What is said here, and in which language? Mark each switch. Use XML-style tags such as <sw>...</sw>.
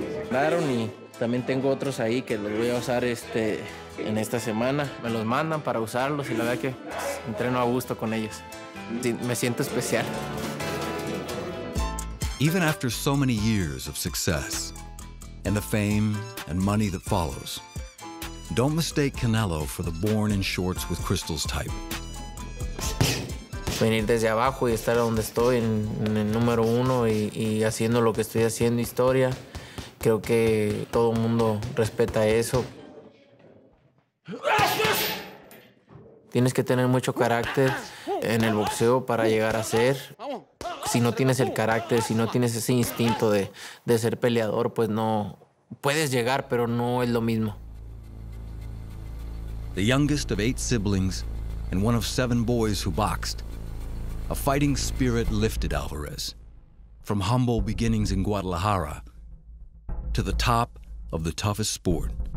<es>Daron y también tengo otros ahí que los voy a usar en esta semana. Me los mandan para usarlos y la verdad que entreno a gusto con ellos. Me siento especial.</es> <en>Even after so many years of success and the fame and money that follows, don't mistake Canelo for the born in shorts with crystals type.</en> <es>Venir desde abajo y estar donde estoy, en el número uno y haciendo lo que estoy haciendo, historia. Creo que todo el mundo respeta eso. Tienes que tener mucho carácter en el boxeo para llegar a ser. Si no tienes el carácter, si no tienes ese instinto de ser peleador, pues no. Puedes llegar, pero no es lo mismo.</es> <en>The youngest of eight siblings and one of seven boys who boxed. A fighting spirit lifted Alvarez from humble beginnings in Guadalajara to the top of the toughest sport.</en>